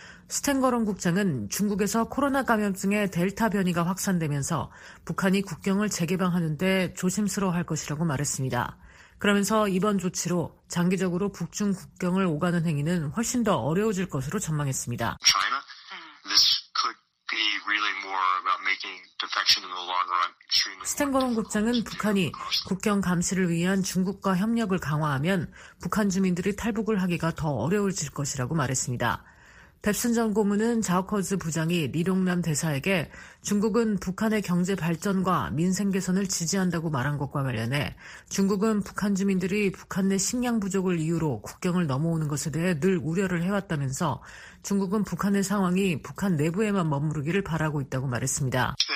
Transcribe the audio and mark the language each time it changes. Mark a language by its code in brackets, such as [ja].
[ko] 스탱거론 국장은 중국에서 코로나 감염증의 델타 변이가 확산되면서 북한이 국경을 재개방하는데 조심스러워할 것이라고 말했습니다. 그러면서 이번 조치로 장기적으로 북중 국경을 오가는 행위는 훨씬 더 어려워질 것으로 전망했습니다. [en] China, this could be really more about making defection in the long run. [ko] 스탱거론 국장은 북한이 국경 감시를 위한 중국과 협력을 강화하면 북한 주민들이 탈북을 하기가 더 어려워질 것이라고 말했습니다. 뱁슨 전 고문은 자우커즈 부장이 리룡남 대사에게 중국은 북한의 경제 발전과 민생 개선을 지지한다고 말한 것과 관련해 중국은 북한 주민들이 북한 내 식량 부족을 이유로 국경을 넘어오는 것에 대해 늘 우려를 해왔다면서 중국은 북한의 상황이 북한 내부에만 머무르기를 바라고 있다고 말했습니다.